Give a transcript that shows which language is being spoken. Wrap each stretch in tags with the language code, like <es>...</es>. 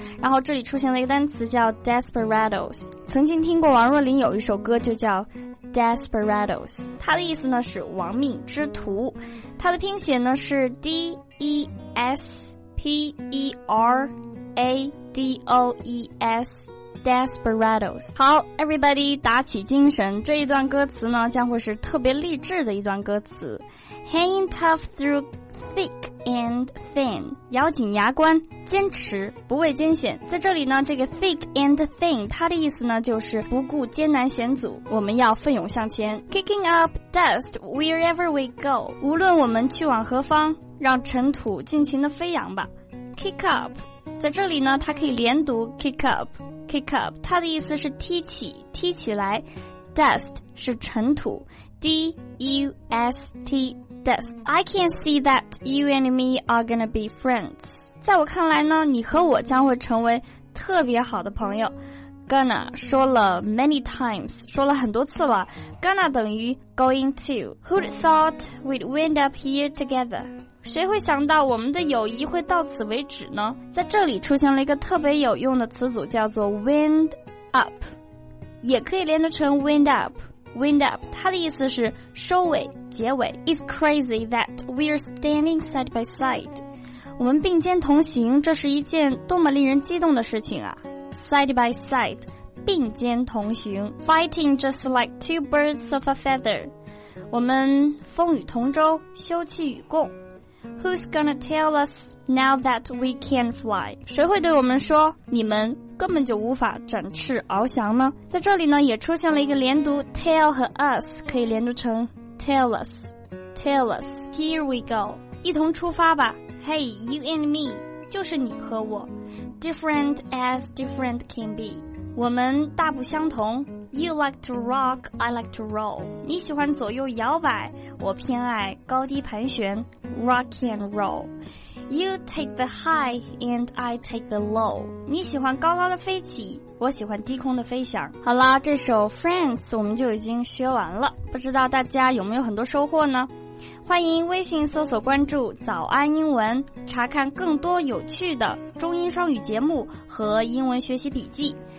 <zh>然后这里出现了一个单词叫 Desperados， 曾经听过王若琳有一首歌就叫 Desperados， 它的意思呢是亡命之徒。它的拼写呢是 D-E-S-P-E-R-A-D-O-E-S，Desperados。好， everybody 打起精神，这一段歌词呢将会是特别励志的一段歌词。</zh> <en>Hanging tough through thick and thin，</en> <zh>咬紧牙关坚持不畏艰险。在这里呢，这个 thick and thin 它的意思呢就是不顾艰难险阻，我们要奋勇向前。</zh> <en>Kicking up dust wherever we go，</en> <zh>无论我们去往何方，让尘土尽情的飞扬吧。 Kick up 在这里呢它可以连读 kick up kick up， 它的意思是踢起，踢起来。 Dust 是尘土 ，D-U-S-T dust。</zh> <en>I can see that you and me are gonna be friends。</en> <zh>在我看来呢，你和我将会成为特别好的朋友。 Gonna 说了</zh> <en>many times，</en> <zh>说了很多次了。</zh> <en>Gonna</en> <zh>等于</zh> <en>going to。 Who'd thought we'd wind up here together？</en> <zh>谁会想到我们的友谊会到此为止呢？在这里出现了一个特别有用的词组，叫做 wind up， 也可以连得成 wind up。 Wind up， 它的意思是收尾、结尾。</zh> <en>It's crazy that we're standing side by side。</en> <zh>我们并肩同行，这是一件多么令人激动的事情啊 ！Side by side， 并肩同行 ，</zh> <en>fighting just like two birds of a feather。</en> <zh>我们风雨同舟，休戚与共。</zh> <en>Who's gonna tell us now that we can fly?</en> <zh>谁会对我们说你们根本就无法展翅翱翔呢？在这里呢，也出现了一个连读 tell 和 us 可以连读成 tell us, tell us.</zh> <en>Here we go.</en> <zh>一同出发吧。</zh> <en>Hey, you and me.</en> <zh>就是你和我。</zh> <en>Different as different can be.</en> <zh>我们大不相同。</zh> <en>You like to rock, I like to roll.</en> <zh>你喜欢左右摇摆，我偏爱高低盘旋。</zh> <en>Rock and roll. You take the high and I take the low.</en> <zh>你喜欢高高的飞起，我喜欢低空的飞翔。好啦，这首 Friends 我们就已经学完了，不知道大家有没有很多收获呢？欢迎微信搜索关注早安英文，查看更多有趣的中英双语节目和英文学习笔记。</zh>